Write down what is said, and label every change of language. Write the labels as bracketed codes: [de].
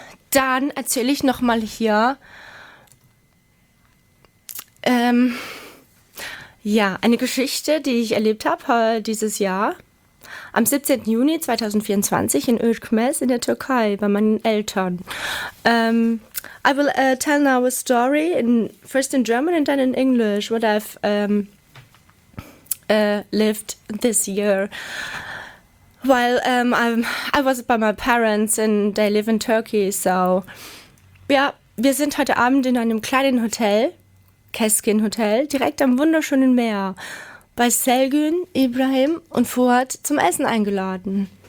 [de] Dann erzähle ich nochmal hier. Ja, eine Geschichte, die ich erlebt habe dieses Jahr. Am 17. Juni 2024 in Ökmez in der Türkei bei meinen Eltern. [en] I will tell now a story in first in German and then in English, what I've lived this year. While I was by my parents and they live in Turkey, so... [de] Ja, wir sind heute Abend in einem kleinen Hotel, Keskin Hotel, direkt am wunderschönen Meer, bei Selgün, Ibrahim und Fuad zum Essen eingeladen.